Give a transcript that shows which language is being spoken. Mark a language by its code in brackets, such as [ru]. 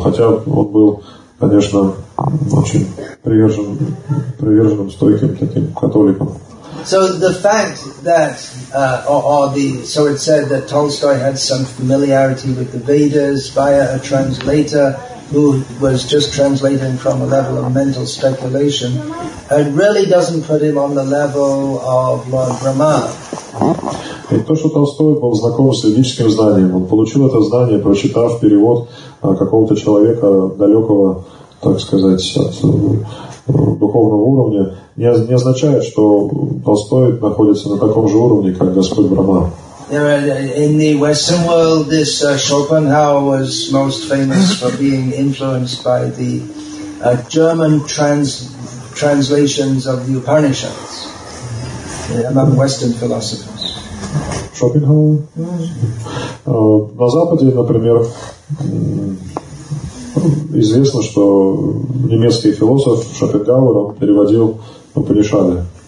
[ru] Хотя он был, конечно, очень приверженным стойким таким католиком. [en] So the fact that, so it said that Tolstoy had some familiarity with the Vedas via a translator who was just translating from a level of mental speculation, it really doesn't put him on the level of Lord Brahma. [ru] И то, что Толстой был знаком с ведическим знанием, он получил это знание, прочитав перевод какого-то человека далекого, так сказать, от духовного уровня, не означает, что Толстой находится на таком же уровне, как Господь Брахма. [en] In the Western world, this Schopenhauer was most famous for being influenced by the German translations of the Upanishads among Western philosophers. Schopenhauer? [ru] На Западе, например, известно, что немецкий философ Шопенгауэр переводил Упанишады.